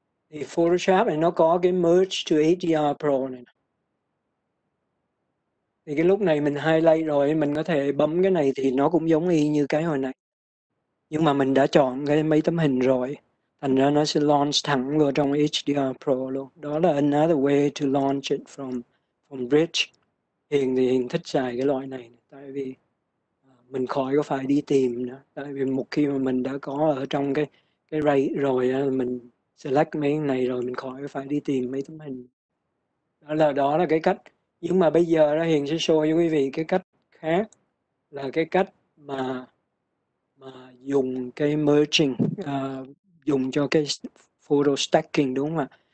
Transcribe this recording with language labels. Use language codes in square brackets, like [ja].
[vi] Thì Photoshop này nó có cái Merge to HDR Pro này. Thì cái lúc này mình highlight rồi, mình có thể bấm cái này thì nó cũng giống y như cái hồi nãy. Nhưng mà mình đã chọn cái mấy tấm hình rồi, thành ra nó sẽ launch thẳng vào trong HDR Pro luôn. Đó là [en] another way to launch it from Bridge. [vi] Hiện thì Hiện thích xài cái loại này, tại vì mình khỏi có phải đi tìm nữa. Tại vì một khi mà mình đã có ở trong cái RAID rồi, mình select mấy cái này rồi, mình khỏi phải đi tìm mấy tấm hình. Đó là cái cách. Nhưng mà bây giờ đó Hiền sẽ show cho quý vị cái cách khác, là cái cách mà dùng cái merging, dùng cho cái photo stacking, đúng không ạ?